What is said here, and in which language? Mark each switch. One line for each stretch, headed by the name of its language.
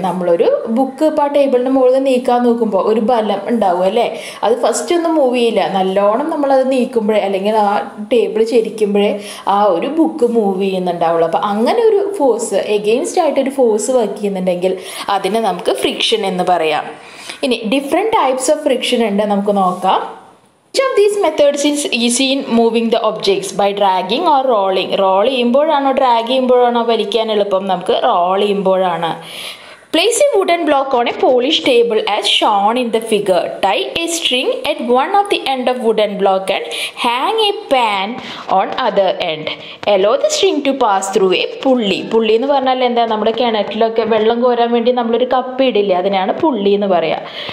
Malayalam: നമ്മളൊരു ബുക്ക് ഇപ്പോൾ ആ ടേബിളിൻ്റെ മുകളിൽ നീക്കാൻ നോക്കുമ്പോൾ ഒരു ബലം ഉണ്ടാവും അല്ലേ, അത് ഫസ്റ്റ് ഒന്നും മൂവ് ചെയ്യില്ല. നല്ലോണം നമ്മളത് നീക്കുമ്പോഴേ അല്ലെങ്കിൽ ആ ടേബിൾ ചരിക്കുമ്പോഴേ ആ ഒരു ബുക്ക് മൂവ് ചെയ്യുന്നുണ്ടാവുള്ളൂ. അപ്പോൾ അങ്ങനെ ഒരു ഫോഴ്സ്, എഗെയിൻസ്റ്റ് ആയിട്ടൊരു ഫോഴ്സ് വർക്ക് ചെയ്യുന്നുണ്ടെങ്കിൽ അതിനെ നമുക്ക് ഫ്രിക്ഷൻ എന്ന് പറയാം. ഇനി
English: different types of friction
Malayalam: ഉണ്ട്, നമുക്ക് നോക്കാം.
English: Which of these methods is easy in moving the objects by dragging or rolling?
Malayalam: Roll ചെയ്യുമ്പോഴാണ് ഡ്രാഗ് ചെയ്യുമ്പോഴാണോ വലിക്കാൻ എളുപ്പം? നമുക്ക് റോൾ ചെയ്യുമ്പോഴാണ്.
English: Place a wooden block on a polish table as shown in the figure. Tie a string at one of the end of wooden block and hang a pan on other end. Allow the string to pass through a pulley.
Malayalam: പുള്ളി എന്ന് പറഞ്ഞാൽ എന്താ, നമ്മുടെ കിണറ്റിലൊക്കെ വെള്ളം കോരാൻ വേണ്ടി നമ്മളൊരു കപ്പ് ഇടില്ലേ, അതിനാണ് പുള്ളി എന്ന് പറയുക.